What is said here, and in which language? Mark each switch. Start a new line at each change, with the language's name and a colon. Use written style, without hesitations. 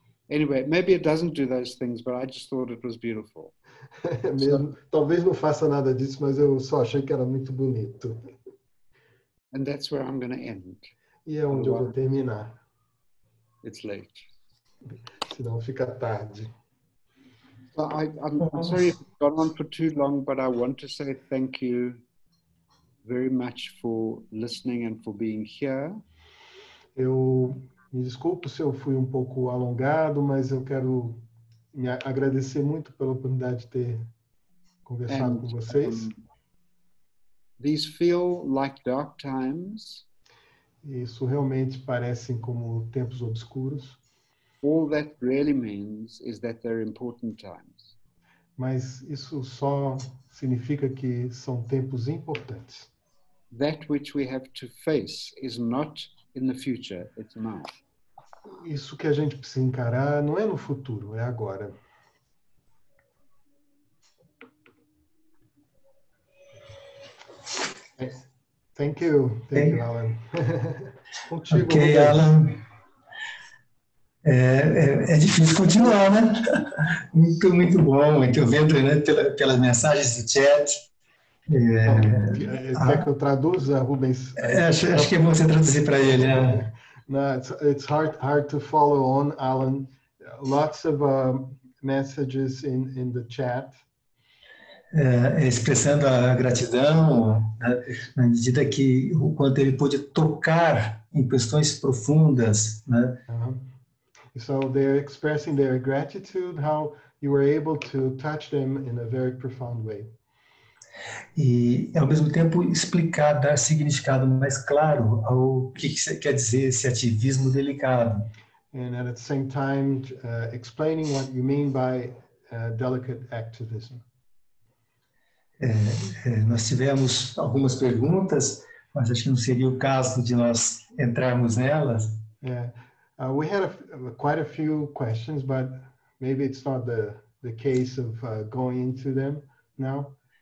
English: Anyway, maybe it doesn't do those things, but I just thought it was beautiful.
Portuguese: Mesmo, talvez não faça nada disso, mas eu só achei que era muito bonito.
English: And that's where I'm going to end.
Portuguese: E é onde eu vou
English: Otherwise,
Portuguese: terminar.
English: it's late.
Portuguese: Senão fica tarde.
English: I'm sorry if it's gone on for too long, but I want to say thank you very much for listening and for being here.
Portuguese: Eu me desculpo se eu fui um pouco alongado, mas eu quero me agradecer muito pela oportunidade de ter conversado
English: And
Portuguese: com vocês.
English: these feel like dark times.
Portuguese: Isso realmente parece como tempos obscuros.
English: All that really means is that they're important times.
Portuguese: Mas isso só significa que são tempos importantes.
English: That which we have to face is not in the future, it's now.
Portuguese: Isso que a gente precisa encarar não é no futuro, é agora.
English: Thank you, Allan.
Portuguese: Contigo,
English: Ok, Rubens.
Portuguese: Alan. É difícil continuar, né? Muito bom, muito vendo, né? Pelas mensagens do chat. Quer que eu traduza, Rubens? Acho que é bom você traduzir para ele, né?
English: No, it's hard to follow on, Alan. Lots of messages in the chat.
Portuguese: Expressando a gratidão, né, na medida que o quanto ele pôde tocar em questões profundas, né?
English: So they're expressing their gratitude, how you were able to touch them in a very profound way.
Portuguese: E, ao mesmo tempo, explicar, dar significado mais claro ao que quer dizer esse ativismo delicado.
English: And at the same time, explaining what you mean by delicate activism.
Portuguese: Nós tivemos algumas perguntas, mas acho que não seria o caso de nós entrarmos nelas.
English: We had quite a few questions, but maybe it's not the case of going into them now.